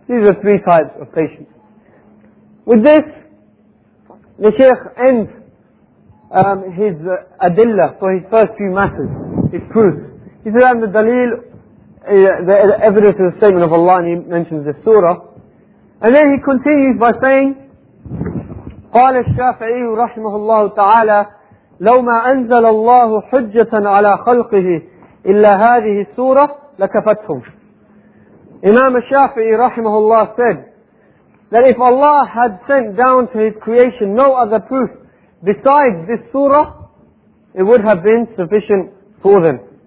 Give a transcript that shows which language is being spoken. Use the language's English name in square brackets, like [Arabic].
[English] These are three types of patience. With this, the Shaykh ends his adilla for his first few matters, his proofs. He says, and the dalil, the evidence of the statement of Allah, and he mentions the surah. And then he continues by saying, [Arabic] قَالَ الشَّافِعِيُّ رَحْمَهُ اللَّهُ تَعَالَى لَوْ مَا أَنزَلَ اللَّهُ حُجَّةً عَلَى خَلْقِهِ إِلَّا هَذِهِ السُّورَةُ لَكَفَتْهُمْ. [English] Imam al-Shafi'i rahimahullah said that if Allah had sent down to His creation no other proof besides this surah, it would have been sufficient for them.